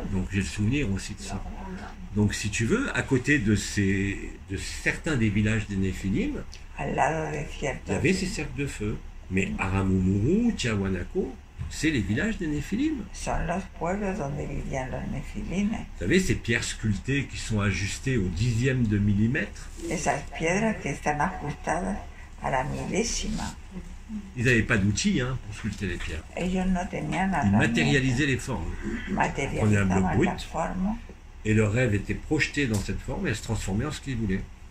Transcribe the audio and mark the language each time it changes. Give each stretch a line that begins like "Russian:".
French: Donc, j'ai le souvenir aussi de ça. Donc, si tu veux, à côté de certains des villages des Néphilim, il y avait ces cercles de feu. Mais Aramumuru, Tiahuanaco, c'est les villages des Néphilim. Vous savez, ces pierres sculptées qui sont ajustées au dixième de millimètre.
Spanish: Esas piedras que están ajustadas a la milésima.
French: Ils n'avaient pas d'outils hein, pour sculpter les pierres.
Spanish: Ellos no tenían
French: Ils matérialisaient les formes. Ils prenaient un bloc brut et leur rêve était projeté dans cette forme et elle se transformait en ce qu'ils voulaient.